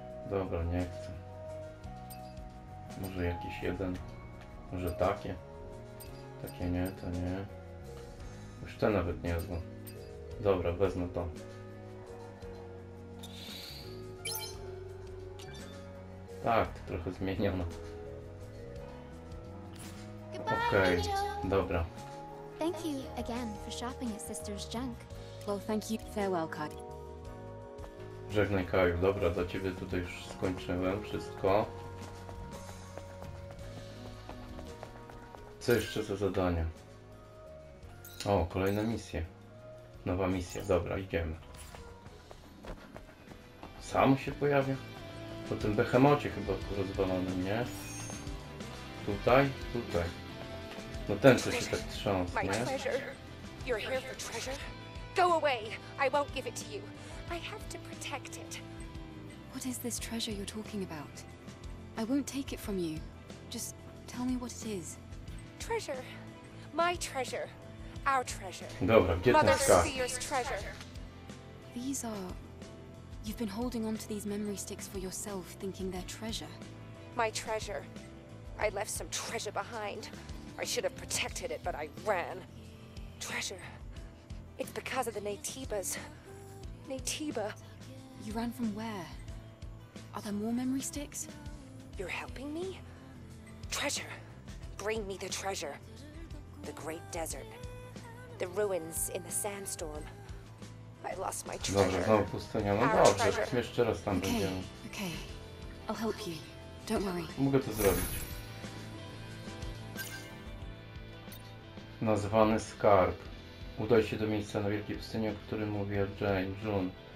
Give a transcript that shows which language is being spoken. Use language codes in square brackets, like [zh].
[pl] Dobra, nie chcę. Może jakiś jeden. Może takie. Takie nie, to nie. Już te nawet nie wezmę. Dobra, wezmę to. Tak, to trochę zmieniono. Okej, dobra. [en] Thank you again for shopping at Sister's Junk. Well, thank you. Farewell, Kai. [pl] Żegnaj, Kaju. Dobra, do ciebie tutaj już skończyłem wszystko. Co jeszcze za zadanie? O, kolejna misja. Nowa misja. Dobra, idziemy. Sam się pojawia? Po tym behemocie chyba rozwalonym, nie? Tutaj? Tutaj. No ten, co się tak trząsł, nie? [en] You're here for treasure? Go away! I won't give it to you. I have to protect it. What is this treasure you're talking about? I won't take it from you. Just tell me what it is. Treasure. My treasure. Our treasure. [pl] Dobra, gdzie ten [en] Mother Seer's treasure. These are... You've been holding on to these memory sticks for yourself, thinking they're treasure. My treasure. I left some treasure behind. I should have protected it, but I ran. Treasure. It's because of the Natibas. Natiba. You ran from where? Are there more memory sticks? You're helping me? Treasure. Bring me the treasure. The great desert. The ruins in the sandstorm. I lost my treasure. [pl] Dobrze, znowu pustynia. No dobrze, jeszcze raz tam będziemy. [en] Okay. I'll help you. Don't worry. [pl] Mogę to zrobić. Nazwany skarb. Udaj się do miejsca na wielkiej pustyni, o którym mówiła Jane, June.